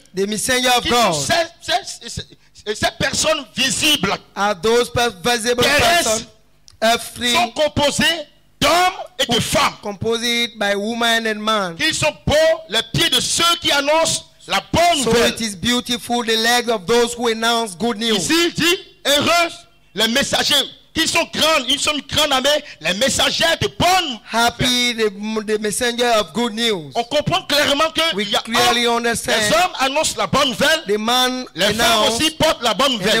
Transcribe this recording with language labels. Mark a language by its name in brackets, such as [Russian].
[English] The messenger of God. [French] Ces personnes visibles. [English] Are those visible persons. [French] Sont composées d'hommes et de femmes. [English] Composed by woman and man. [French] Ils sont beaux les pieds de ceux qui annoncent la bonne nouvelle. [English] So it is beautiful the legs of those who announce good news. [French] Ici il dit heureux les messagers qui sont grands, ils sont grands amis, les messagers de bonnes. [English] Happy the messenger of good news. [French] On comprend clairement que [English] we clearly understand. [French] Les hommes annoncent la bonne nouvelle. [English] The man [French] les femmes aussi portent la bonne nouvelle.